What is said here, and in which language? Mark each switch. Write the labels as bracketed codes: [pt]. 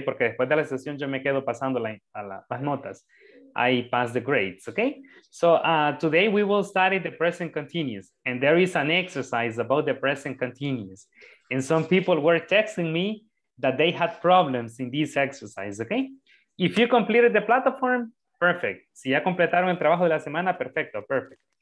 [es] Porque después de la sesión yo me quedo pasando las notas. [en] I pass the grades, okay? So today we will study the present continuous, and there is an exercise about the present continuous. And some people were texting me that they had problems in this exercise, okay? If you completed the platform, perfect. [es] Si ya completaron el trabajo de la semana, perfecto, perfect.